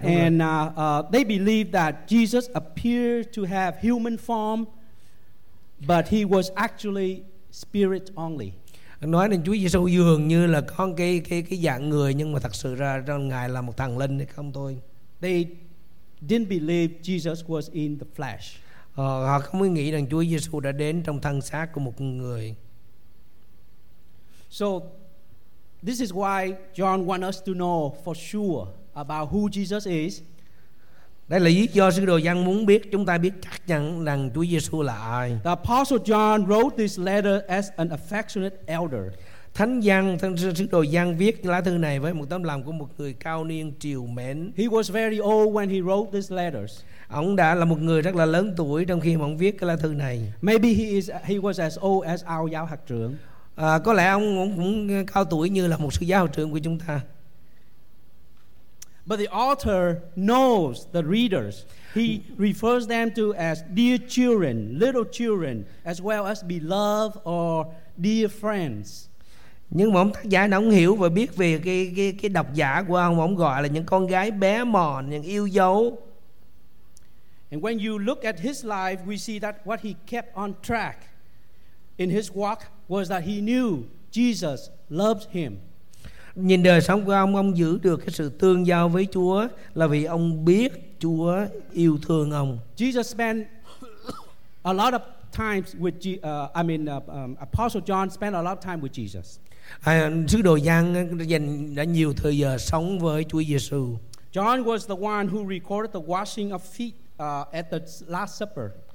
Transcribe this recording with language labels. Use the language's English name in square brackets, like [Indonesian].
[English] They believe that Jesus appeared to have human form, but he was actually spirit only. [Vietnamese] Nói là Chúa Giêsu dường như là có cái dạng người, nhưng mà thật sự ra ngài là một thần linh hay không thôi. [English] They didn't believe Jesus was in the flesh. [Vietnamese] Họ không nghĩ rằng Chúa Giêsu đã đến trong thân xác của một người. [English] So this is why John wants us to know for sure about who Jesus is. [Vietnamese] Đây là lý do sứ đồ Giăng muốn biết, chúng ta biết chắc chắn rằng Chúa Giêsu là ai. [English] The Apostle John wrote this letter as an affectionate elder. [Vietnamese] Thánh sứ đồ Giăng viết lá thư này với một tấm lòng của một người cao niên trìu mến. [English] He was very old when he wrote these letters. [Vietnamese] Ông đã là một người rất là lớn tuổi trong khi mà ông viết cái lá thư này. [English] Maybe he was as old as our [Vietnamese] giáo hạt trưởng. Có lẽ ông cũng cao tuổi như là một sứ giáo hạt trưởng của chúng ta. [English] But the author knows the readers. He refers them to as dear children, little children, as well as beloved or dear friends. [Vietnamese] Nhưng mà ông tác giả đã không hiểu và biết về cái độc giả của ông. Ông gọi là những con gái bé mòn, những yêu dấu. [English] And when you look at his life, we see that what he kept on track in his walk was that he knew Jesus loved him. [Vietnamese] Nhìn đời sống của ông giữ được cái sự tương giao với Chúa là vì ông biết Chúa yêu thương ông. [English] Jesus spent a lot of times with Apostle John spent a lot of time with Jesus. [Vietnamese] Sứ đồ Giăng đã nhiều thời giờ sống với Chúa Giêsu. [English] John was the one who recorded the washing of feet at the Last Supper.